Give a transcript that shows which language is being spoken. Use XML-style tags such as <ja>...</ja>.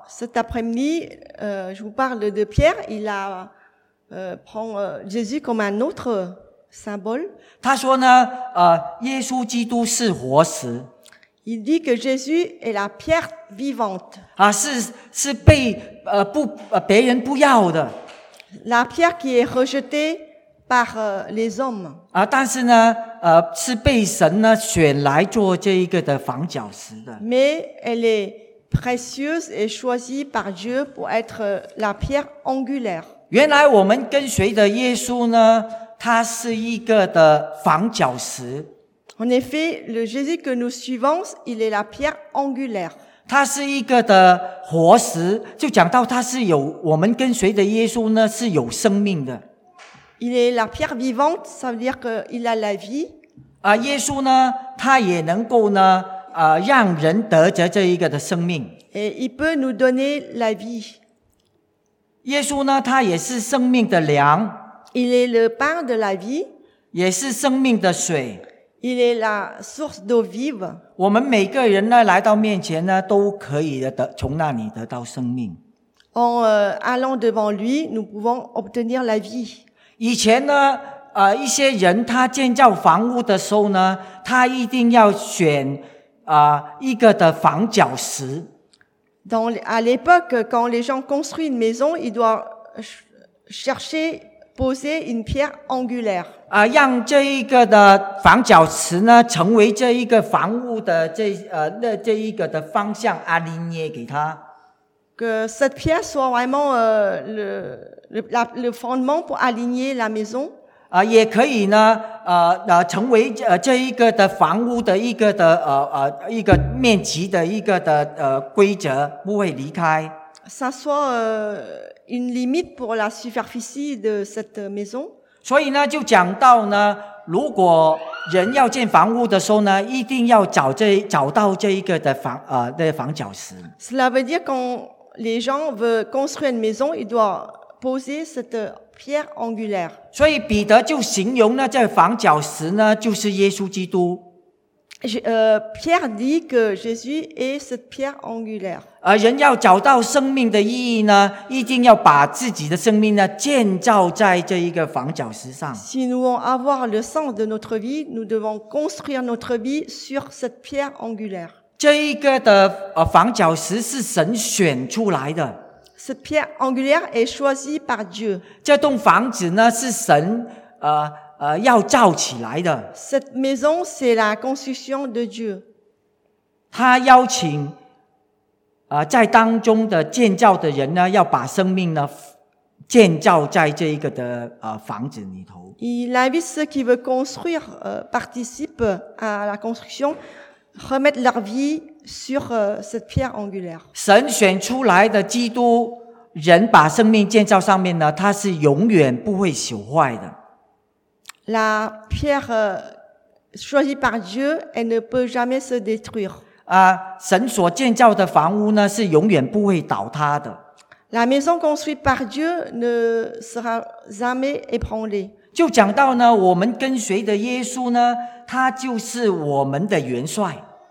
<fr>Cet après-midi, je vous parle de Pierre. Il a prend Jésus comme un autre symbole.</fr> <zh>他说呢，耶稣基督是活石。</zh> <fr>Il dit que Jésus est la pierre vivante.</fr> <zh>啊，是被别人不要的。</zh> <fr>La pierre qui est rejetée par les hommes.</fr> <zh>啊，但是呢，是被神呢选来做这一个的房角石的。</zh> <fr>Mais elle est précieuse et choisie par Dieu pour être la pierre angulaire.</fr> <zh>原来我们跟随的耶稣呢，他是一个的房角石。</zh> <fr>En effet, le Jésus que nous suivons, il est la pierre angulaire.</fr> <zh>他是一个的活石，就讲到他是有我们跟随的耶稣呢是有生命的。</zh> <fr>Il est la pierre vivante, ça veut dire qu'il a la vie.</fr> <zh>啊，耶稣呢，他也能够呢。让人得着这一个的生命。</zh> <fr>Et il peut nous donner la vie.</fr> <zh>耶稣呢，他也是生命的粮。</zh> <fr>Il est le pain de la vie.</fr> <zh>也是生命的水。</zh> <fr>Il est la source d'eau vive.</fr> <zh>我们每个人呢，来到面前呢，都可以得从那里得到生命。</zh> <fr>En allant devant lui, nous pouvons obtenir la vie.</fr> <zh>以前呢，一些人他建造房屋的时候呢，他一定要选一个的房角石。</zh> <fr>Dans, à l'époque, quand les gens construisent une maison, ils doivent chercher, poser une pierre angulaire.</fr> <zh>让这一个的房角石呢，成为这一个房屋的这一个的方向，aligner给它。</zh> <fr>Que cette pierre soit vraiment, le fondement pour aligner la maison.</fr> <zh>也可以呢，成为这一个的房屋的一个的一个面积的一个的规则，不会离开。</zh> <fr>Ça soit une limite pour la superficie de cette maison.</fr> <zh>所以呢，就讲到呢，如果人要建房屋的时候呢，一定要找到这一个的房角石。</zh> <fr>Cela veut dire quand les gens veulent construire une maison, ils doivent poser cette pierre angulaire.</fr> <zh>所以彼得就形容呢，这房角石呢，就是耶稣基督。</zh> <fr>Pierre dit que Jésus est cette pierre angulaire.</fr> <zh>人要找到生命的意义呢，一定要把自己的生命呢建造在这一个房角石上。</zh> <fr>Si nous voulons avoir le sens de notre vie, nous devons construire notre vie sur cette pierre angulaire.</fr> <zh>这一个的房角石是神选出来的。</zh> <fr>Cette pierre angulaire est choisie par Dieu.</fr> <zh>这栋房子呢是神要造起来的。</zh> <fr>Cette maison c'est la construction de Dieu.</fr> <zh>他邀请在当中的建造的人呢，要把生命呢建造在这一个的房子里头。</zh> <fr>Il invite ceux qui veulent construire participe à la construction, remettre leur vie. Sur cette pierre angulaire.</fr> <zh>神选出来的基督，人把生命建造上面呢，它是永远不会朽坏的。</zh> <fr>La pierre choisie par Dieu, elle ne peut jamais se détruire.</fr> <zh>神所建造的房屋呢，是永远不会倒塌的。</zh> <fr>La maison construite par Dieu ne sera jamais ébranlée.</fr> <zh>就讲到呢，我们跟随的耶稣呢，他就是我们的元帅。</zh>